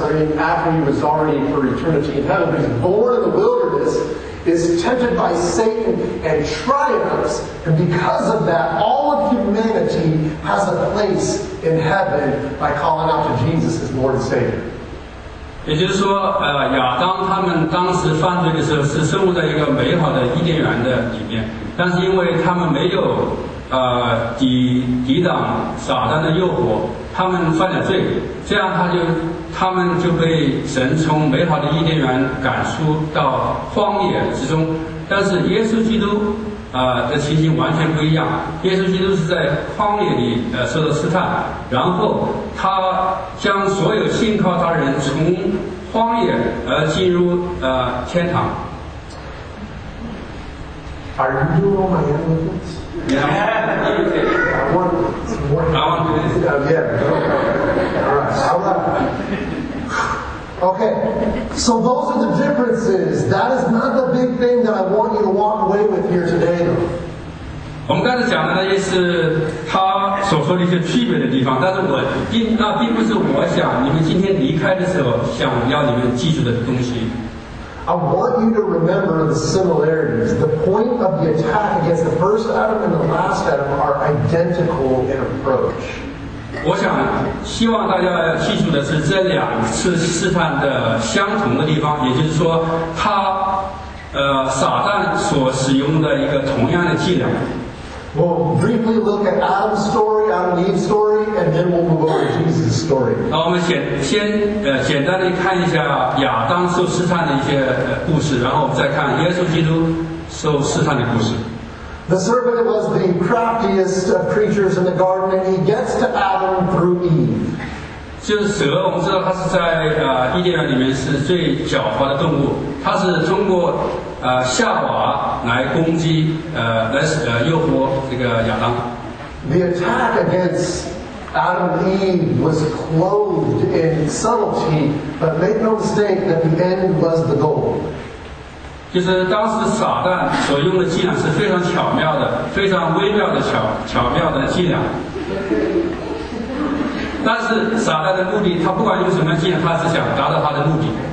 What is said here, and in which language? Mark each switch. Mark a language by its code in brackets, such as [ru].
[en] I mean, after he was already for eternity in heaven, he's born in the wilderness, is tempted by Satan and triumphs, and because of that, all of humanity has a place in heaven by calling out to Jesus as Lord and Savior. [zh] 也就是说，亚当他们当时犯罪的时候是生活在一个美好的伊甸园的里面，但是因为他们没有抵挡撒旦的诱惑，他们犯了罪，这样他们就被神从美好的伊甸园赶出到荒野之中。但是耶稣基督的情形完全不一样，耶稣基督是在荒野里受到试探，然后他将所有信靠他人从荒野而进入天堂。 [en] Are you doing all my hand movements? Okay, so those are the differences. That is not the big thing that I want you to walk away with here today, though. [zh] 我们刚才讲的也是他所说的一些区别的地方，但是那并不是我想你们今天离开的时候想要你们记住的东西。 [en] I want you to remember the similarities. The point of the attack against the first Adam and the last Adam are identical in approach. [zh] 我想希望大家记住的是这两次试探的相同的地方，也就是说他撒旦所使用的一个同样的伎俩。 [en] We'll briefly look at Adam's story, Adam and Eve's story, and then we'll move on to Jesus' story. [zh] 我们简单地看一下亚当受试探的一些故事，然后再看耶稣基督受试探的故事。 [en] The serpent was the craftiest of creatures in the garden, and he gets to Adam through Eve. [zh] 就是蛇，我们知道它是在伊甸园里面是最狡猾的动物，它是通过夏娃来攻击诱惑这个亚当。 [en] The attack against Adam and Eve was clothed in subtlety, but make no mistake that the end was the goal. [zh] 就是当时撒旦所用的伎俩是非常巧妙的，非常微妙的巧妙的伎俩。但是撒旦的目的，他不管用什么伎俩，他只想达到他的目的。